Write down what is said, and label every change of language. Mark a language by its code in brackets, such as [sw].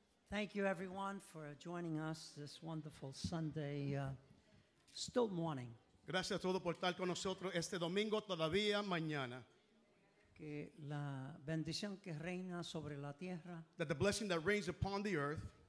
[en] Thank you, everyone, for joining us this wonderful Sunday, still morning. [es] Gracias a todos por estar con nosotros este domingo todavía mañana. Que la bendición que reina sobre la tierra. [en] That the blessing that reigns upon the earth.